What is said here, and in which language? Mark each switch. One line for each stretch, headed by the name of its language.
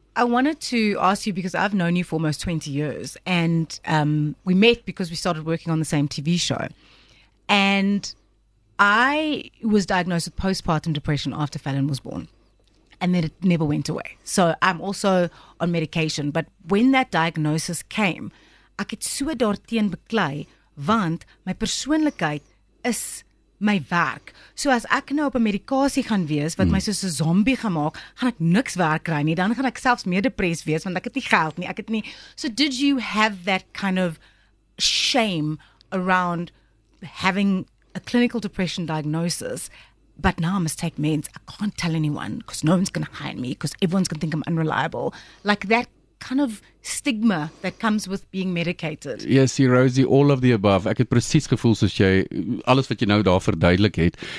English: I wanted to ask you, because I've known you for almost 20 years, and we met because we started working on the same TV show, and I was diagnosed with postpartum depression after Fallon was born, and then it never went away. So I'm also on medication, but when that diagnosis came, I could swear
Afrikaans: daarteen beklei, want my persoonlikheid is my werk. So as ek nou op 'n medikasie gaan wees wat my soos 'n zombie gemaak, gaan ek niks werk kry nie, dan gaan ek selfs meer depress wees want ek het nie geld nie, ek het nie.
English: So did you have that kind of shame around having a clinical depression diagnosis, but now I must take meds, I can't tell anyone because no one's going to hire me because everyone's going to think I'm unreliable, like that kind of stigma that comes with being medicated? Yes, see, Rosie, all of the above.
Afrikaans: Ek het precies gevoel soos jy, alles wat jy nou daar verduidelik het.